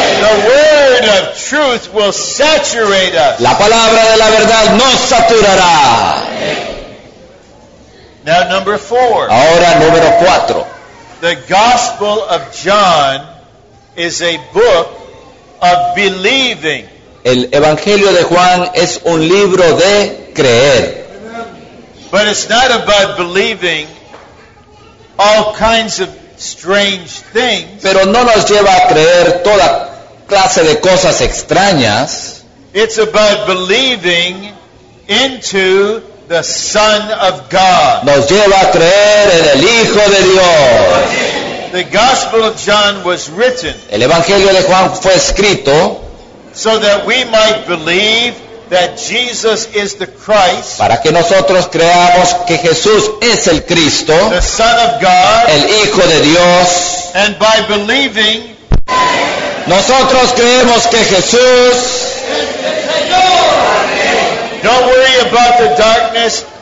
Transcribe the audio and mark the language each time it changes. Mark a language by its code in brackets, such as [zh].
[en] The word of truth will saturate us. [es] La palabra de la verdad nos saturará. [en] Now number four. [es] Ahora número cuatro. [en] The Gospel of John is a book of believing. [es] El Evangelio de Juan es un libro de creer. [en] But it's not about believing all kinds of strange things. [es] Pero no nos lleva a creer toda clase de cosas extrañas. [en] It's about believing into the Son of God. [es] Nos lleva a creer en el Hijo de Dios. [en] The Gospel of John was written. [es] El Evangelio de Juan fue escrito. [en] So that we might believe that Jesus is the Christ. [es] Para que nosotros creamos que Jesús es el Cristo. [en] The Son of God. [es] El Hijo de Dios. [en] And by believing. [es] Nosotros creemos que Jesús. [en] Don't worry about the darkness.